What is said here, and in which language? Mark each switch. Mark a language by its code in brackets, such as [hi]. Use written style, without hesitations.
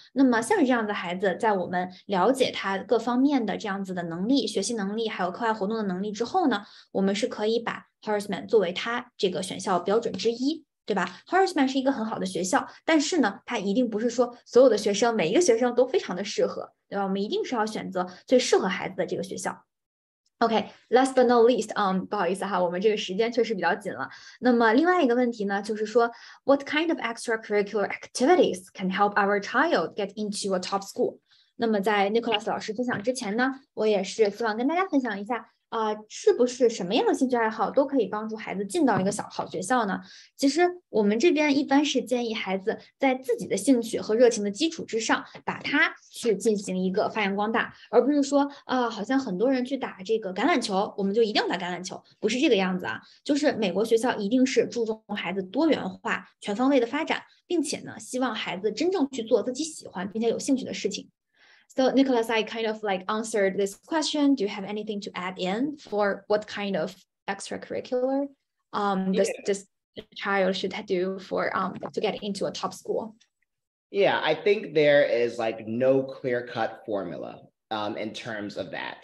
[zh] 那么像是这样的孩子，在我们了解他各方面的这样子的能力，学习能力还有课外活动的能力之后呢，我们是可以把 Horace Mann 作为他这个选校标准之一，对吧？ Horace Mann 是一个很好的学校，但是呢它一定不是说所有的学生每一个学生都非常的适合，对吧？我们一定是要选择最适合孩子的这个学校。 OK, [en] last but not least, [zh] 不好意思哈，我们这个时间确实比较紧了。那么另外一个问题呢，就是说 [en] What kind of extracurricular activities can help our child get into a top school? [zh] 那么在 Nicholas 老师分享之前呢，我也是希望跟大家分享一下是不是什么样的兴趣爱好都可以帮助孩子进到一个小好学校呢？其实我们这边一般是建议孩子在自己的兴趣和热情的基础之上，把它去进行一个发扬光大，而不是说好像很多人去打这个橄榄球，我们就一定要打橄榄球，不是这个样子啊。就是美国学校一定是注重孩子多元化、全方位的发展，并且呢，希望孩子真正去做自己喜欢并且有兴趣的事情。 [en] So Nicholas, I kind of like answered this question. Do you have anything to add in for what kind of extracurricular this child should do for to get into a top school? Yeah, I think there is like no clear cut formula in terms of that.